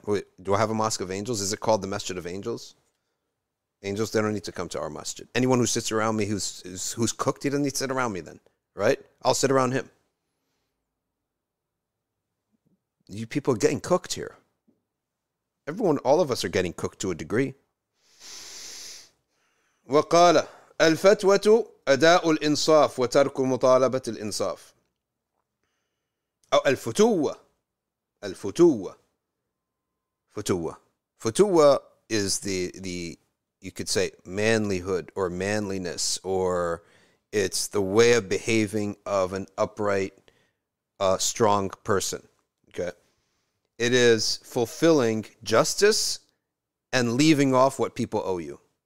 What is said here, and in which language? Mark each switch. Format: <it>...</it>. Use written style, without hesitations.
<en>Wait, do I have a mosque of angels? Is it called the Masjid of Angels? Angels, they don't need to come to our masjid. Anyone who sits around me who's cooked, he doesn't need to sit around me then, right? I'll sit around him. You people are getting cooked here. Everyone, all of us are getting cooked to a degree.</en> <ar>وَقَالَ الْفَتْوَةُ أَدَاءُ الْإِنصَافِ وَتَرْكُ مُطَالَبَةِ الْإِنصَافِ أو الفتوة. الفتوة. فتوة.</ar> <en>فتوة is the you could say, manlyhood or manliness, or it's the way of behaving of an upright, strong person. Okay? It is fulfilling justice and leaving off what people owe you.</en>